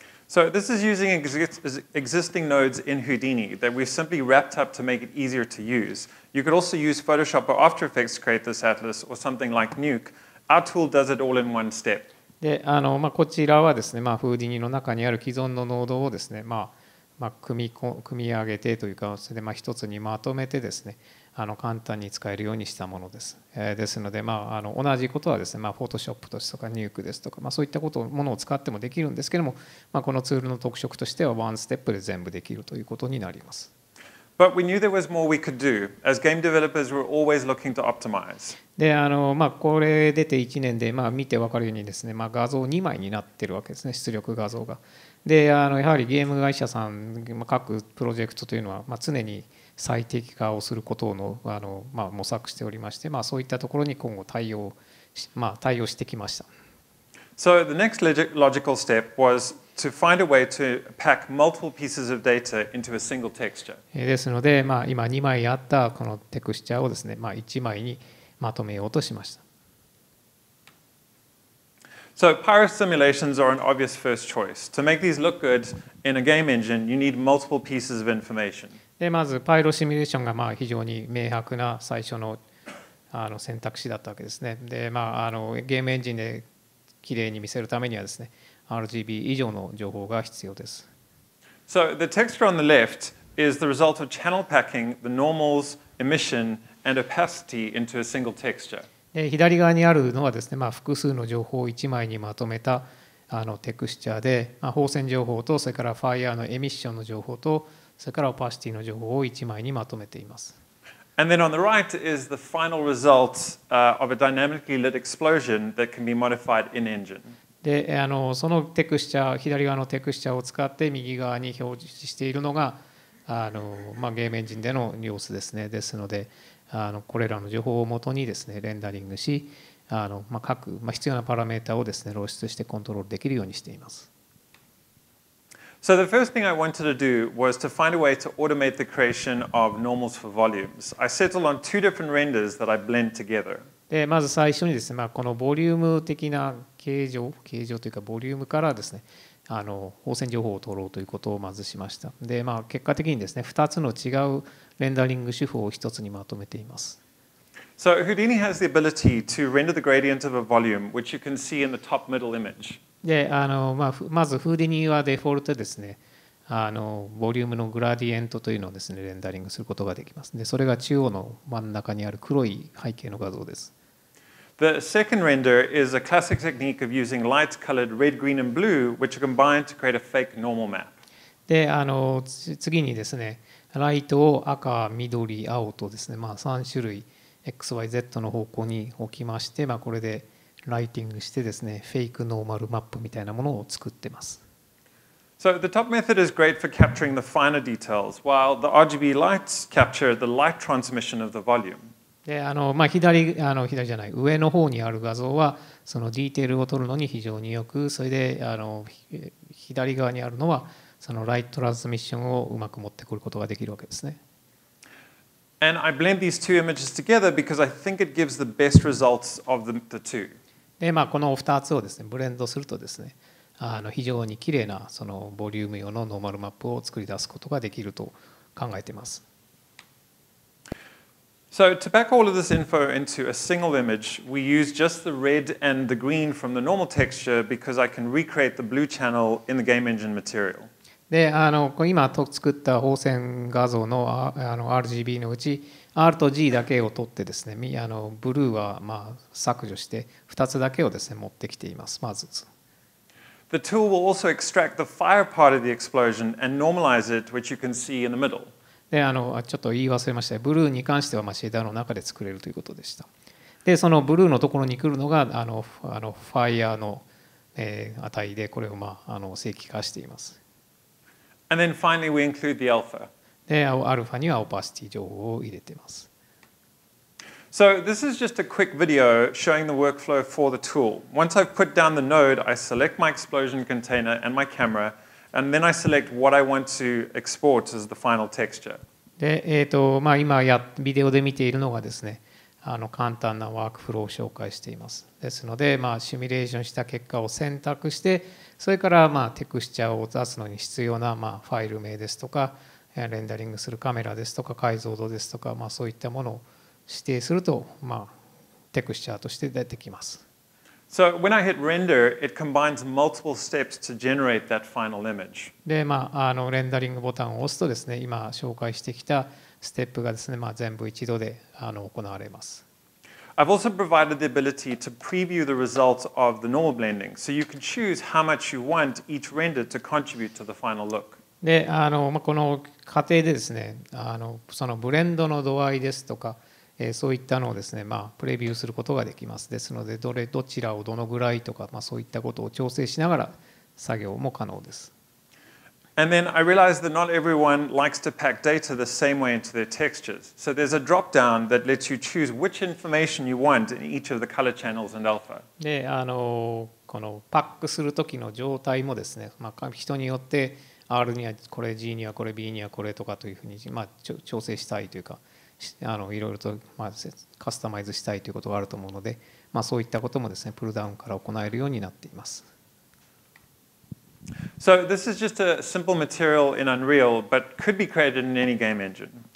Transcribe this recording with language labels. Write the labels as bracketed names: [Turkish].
[English] So this is using existing nodes in Houdini that we've simply wrapped up to make it easier to use. You could also use Photoshop or After Effects to create this atlas or something like Nuke. Our tool does it all in one step. [Japanese] で、こちらはですね、Houdini の中にある既存のノードをですね、組み上げてというか、それで一つにまとめてですね、簡単に使えるようにしたものです。ですので、同じことはですね、Photoshop ですとか Nuke ですとか、そういったことものを使ってもできるんですけども、このツールの特色としてはワンステップで全部できるということになります。 [English] But we knew there was more we could do. As game developers, we're always looking to optimize. [Japanese] で、これ出て1年で、見て分かるようにですね、画像2枚になってるわけですね、出力画像が。で、やはりゲーム会社さん、各プロジェクトというのは、常に最適化をすることを模索しておりまして、そういったところに今後対応してきました。 [English] So the next logical step was to find a way to pack multiple pieces of data into a single texture. [Japanese] ですので、今2枚あったこのテクスチャーをですね、1枚にまとめようとしました。 [English] So pyro simulations are an obvious first choice. To make these look good in a game engine, you need multiple pieces of information. [Japanese] で、まずパイロシミュレーションが非常に明白な最初の選択肢だったわけですね。で、ゲームエンジンで綺麗に見せるためにはですね、RGB 以上の情報が必要です。 [English] So the texture on the left is the result of channel packing the normals, emission, and opacity into a single texture. [Japanese] で、左側にあるのはですね、複数の情報を1枚にまとめたテクスチャーで、放線情報とそれからファイアのエミッションの情報とそれからオパシティの情報を1枚にまとめています。 [English] And then on the right is the final result of a dynamically lit explosion that can be modified in engine. [Japanese] で、そのテクスチャー、左側のテクスチャーを使って右側に表示しているのが、ゲームエンジンでの様子ですね。ですので、これらの情報をもとにですね、レンダリングし、各、必要なパラメータをですね、露出してコントロールできるようにしています。 [English] So the first thing I wanted to do was to find a way to automate the creation of normals for volumes. I settled on two different renders that I blend together. [Japanese] で、まず最初にですね、このボリューム的な形状というかボリュームからですね、放線情報を取ろうということをまずしました。で、結果的にですね、2つの違うレンダリング手法を1つにまとめています。 [English] So Houdini has the ability to render the gradient of a volume, which you can see in the top middle image. [Japanese] で、まず Houdini はデフォルトですね、あのボリュームのグラディエントというのをですねレンダリングすることができます。でそれが中央の真ん中にある黒い背景の画像です。 [English] The second render is a classic technique of using light colored red, green, and blue, which are combined to create a fake normal map. [Japanese] で、あの次にですね、ライトを赤、緑、青とですね、まあ3種類 XYZ の方向に置きまして、まあこれでライティングしてですね、フェイクノーマルマップみたいなものを作ってます。 [English] So the top method is great for capturing the finer details, while the RGB lights capture the light transmission of the volume. [Japanese] であのまあ、左じゃない上の方にある画像はそのディテールを撮るのに非常によく、それであの左側にあるのはそのライトトランスミッションをうまく持ってくることができるわけですね。 [English] And I blend these two images together because I think it gives the best results of the two. [Japanese] で、まあ、この2つをですね、ブレンドするとですね、あの非常にきれいなそのボリューム用のノーマルマップを作り出すことができると考えています。 [English] So to pack all of this info into a single image, we use just the red and the green from the normal texture because I can recreate the blue channel in the game engine material. [Japanese] で、あの今作った放線画像の、あの RGB のうち R と G だけを取ってですね、あのブルーはまあ削除して2つだけをですね持ってきています。まず。 [English] The tool will also extract the fire part of the explosion and normalize it, which you can see in the middle. [Japanese] であのちょっと言い忘れました。ブルーに関しては、まあ、シェーダーの中で作れるということでした。で、そのブルーのところに来るのが、あのファイヤーの、値で、これを、まあ、あの正規化しています。 [English] And then finally we include the alpha. [Japanese] で、アルファにはオパシティ情報を入れています。 [English] So this is just a quick video showing the workflow for the tool. Once I've put down the node, I select my explosion container and my camera. And then I select what I want to export as the final texture. [Japanese] で、まあ、今やビデオで見ているのがですね、あの簡単なワークフローを紹介しています。ですので、まあ、シミュレーションした結果を選択して、それから、まあ、テクスチャーを出すのに必要な、まあ、ファイル名ですとか、レンダリングするカメラですとか、解像度ですとか、まあ、そういったものを指定すると、まあ、テクスチャーとして出てきます。 [English] So when I hit render, it combines multiple steps to generate that final image. [Japanese] で、まあ、あのレンダリングボタンを押すとですね、今紹介してきたステップがですね、まあ、全部一度であの行われます。 [English] I've also provided the ability to preview the results of the normal blending, so you can choose how much you want each render to contribute to the final look. [Japanese] で、あの、まあ、この過程でですね、あのそのブレンドの度合いですとか。そういったのをですね、まあ、プレビューすることができます。ですので、どちらをどのぐらいとか、まあ、そういったことを調整しながら作業も可能です。 [English] And then I realized that not everyone likes to pack data the same way into their textures. So there's a drop-down that lets you choose which information you want in each of the color channels and alpha. [Japanese] で、あの、このパックするときの状態もですね、まあ、人によって R にはこれ、G にはこれ、B にはこれとかというふうに、まあ、調整したいというか、あのいろいろと、まあ、カスタマイズしたいということがあると思うので、まあ、そういったこともですね、プルダウンから行えるようになっています。 [English] So this is just a simple material in Unreal, but could be created in any game engine.